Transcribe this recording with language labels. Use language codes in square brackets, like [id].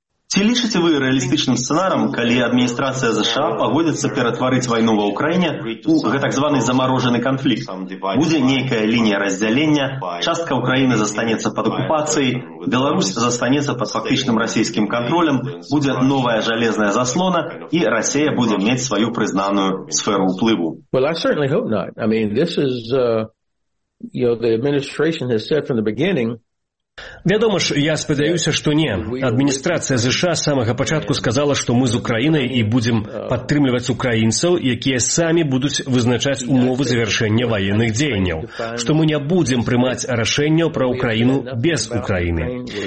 [uk] Чи лічите ви реалістичним сценарієм, коли адміністрація США погодиться перетворити війну в Україні у так званий заморожений конфлікт? Буде ніяка лінія розділення, частка України залишиться під окупацією, Білорусь залишиться під фактичним російським контролем, буде нова железна заслона і Росія буде мати свою признану сферу впливу? [en] Well, I certainly hope not. I mean, this is, you know, the administration has said from the beginning. [uk] Відомо ж, я сподіваюся, що ні. Адміністрація США з самого початку сказала, що ми з Україною і будемо підтримувати українців, які самі будуть визначати умови завершення воєнних діянняв. Що ми не будемо приймати рішення про Україну без України.